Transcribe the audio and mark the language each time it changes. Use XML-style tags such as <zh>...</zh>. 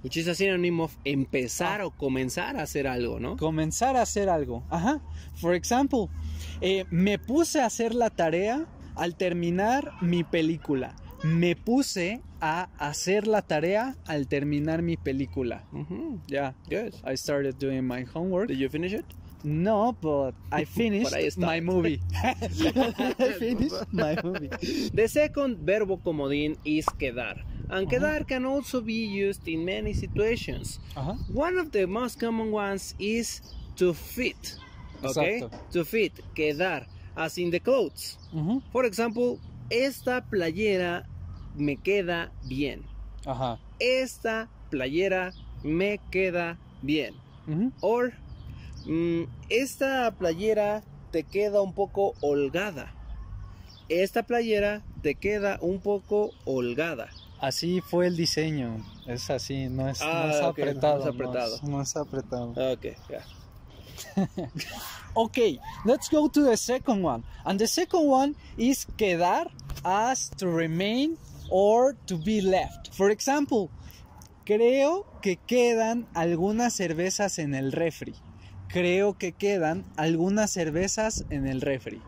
<en>Which is a synonym of</en> <es>empezar o comenzar a hacer algo, ¿no? Comenzar a hacer algo. Ajá.</es> <en>For example,</en> <es>me puse a hacer la tarea al terminar mi película. Me puse a hacer la tarea al terminar mi película. Mm-hmm. Yeah.</es> <en>Good. I started doing my homework. Did you finish it? No, but I finished my movie. I finished my movie. The second verbo comodín is quedar. And quedar can also be used in many situations. Uh-huh. One of the most common ones is to fit.</en> <es>Okay? Exacto.</es> <en>To fit, quedar, as in the clothes. Uh-huh.</en> <es>For example, esta playera me queda bien. Uh-huh. Esta playera me queda bien. Uh-huh. Or, esta playera te queda un poco holgada. Esta playera te queda un poco holgada. Así fue el diseño. Es así, no es, ah, no es okay, apretado. No es apretado. No es, no es apretado.</es> <en>Ok, yeah. Ok, let's go to the second one. And the second one is quedar as to remain or to be left.</en> <es>For example, creo que quedan algunas cervezas en el refri. Creo que quedan algunas cervezas en el refri.</es>